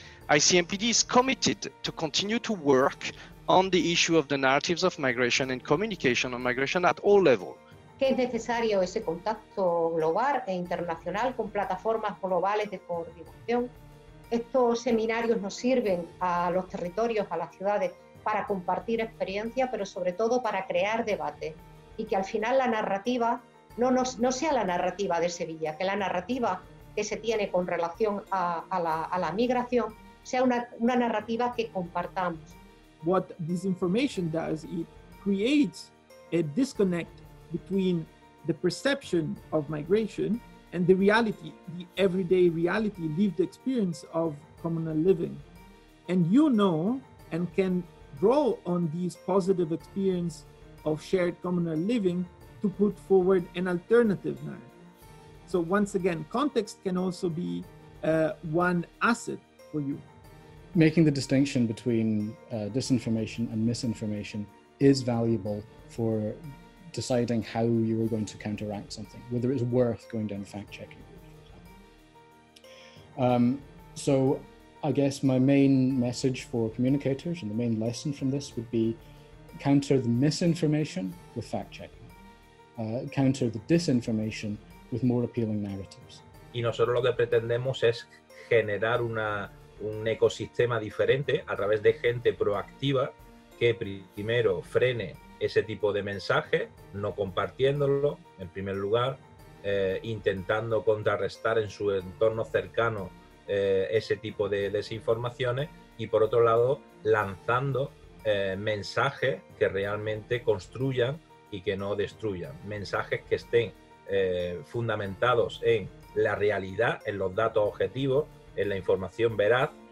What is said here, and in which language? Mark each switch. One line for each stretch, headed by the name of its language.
English: ICMPD is committed to continue to work on the issue of the narratives of migration and communication on migration at all levels.
Spanish: Que es necesario ese contacto global e internacional con plataformas globales de coordinación. Estos seminarios nos sirven a los territorios, a las ciudades, para compartir experiencia, pero sobre todo para crear debate. Y que al final la narrativa no sea la narrativa de Sevilla, que la narrativa que se tiene con relación a la migración sea una narrativa que compartamos.
English: What this information does, it creates a disconnect between the perception of migration and the reality, the everyday reality, lived experience of communal living. And you know and can draw on these positive experience of shared communal living to put forward an alternative narrative. So once again, context can also be one asset for you. making the distinction between disinformation and misinformation is valuable for deciding how you are going to counteract something, whether it's worth going down a fact-checking route, for example. So I guess my main message for communicators and the main lesson from this would be counter the misinformation with fact-checking, counter the disinformation with more appealing narratives.
Spanish: Y nosotros lo que pretendemos es generar un ecosistema diferente a través de gente proactiva que primero frene ese tipo de mensaje, no compartiéndolo, en primer lugar, intentando contrarrestar en su entorno cercano ese tipo de desinformaciones y por otro lado lanzando mensajes que realmente construyan y que no destruyan, mensajes que estén fundamentados en la realidad, en los datos objetivos, en la información veraz.